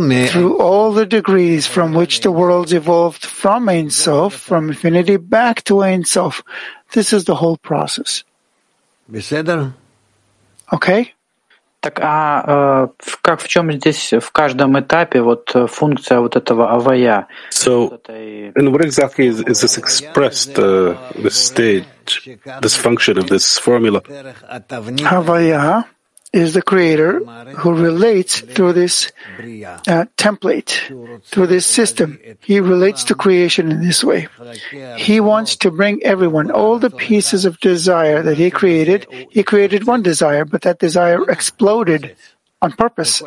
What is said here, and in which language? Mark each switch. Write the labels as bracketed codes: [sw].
[en] through all the degrees from which the worlds evolved from Ein Sof, from infinity back to Ein Sof. This is the whole process. Okay? [ru] Так, а как в чем здесь в каждом этапе вот функция вот этого авая? [en] So, and what exactly is this expressed, this stage, this function of this formula? Авая is the creator who relates through this template, through this system. He relates to creation in this way. He wants to bring everyone, all the pieces of desire that he created one desire, but that desire exploded on purpose.